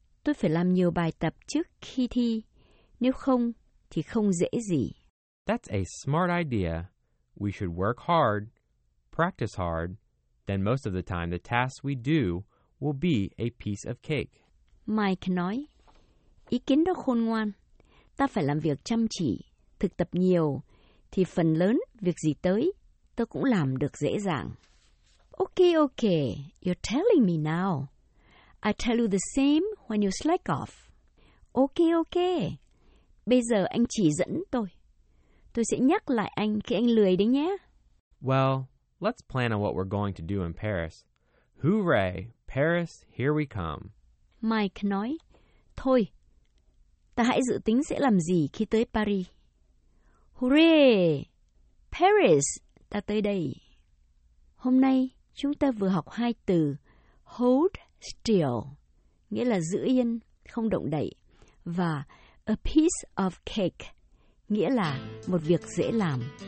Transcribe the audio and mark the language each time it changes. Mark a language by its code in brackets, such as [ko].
[vi] Tôi phải làm nhiều bài tập trước khi thi. Nếu không, thì không dễ gì. [en] That's a smart idea. We should work hard, practice hard, then most of the time the tasks we do will be a piece of cake. [vi] Mike nói, ý kiến đó khôn ngoan. Ta phải làm việc chăm chỉ, thực tập nhiều, thì phần lớn việc gì tới, tôi cũng làm được dễ dàng. [en] Okay, okay, you're telling me now. I tell you the same when you slack off. [vi] Okay, okay. Bây giờ anh chỉ dẫn tôi. Tôi sẽ nhắc lại anh khi anh lười đấy nhé. [en] Well, let's plan on what we're going to do in Paris. Hooray, Paris, here we come. [vi] Mike nói, thôi, ta hãy dự tính sẽ làm gì khi tới Paris. Hooray, Paris, ta tới đây. Hôm nay, chúng ta vừa học hai từ [en] hold still, [vi] nghĩa là giữ yên, không động đậy, và [en] a piece of cake, [vi] nghĩa là một việc dễ làm.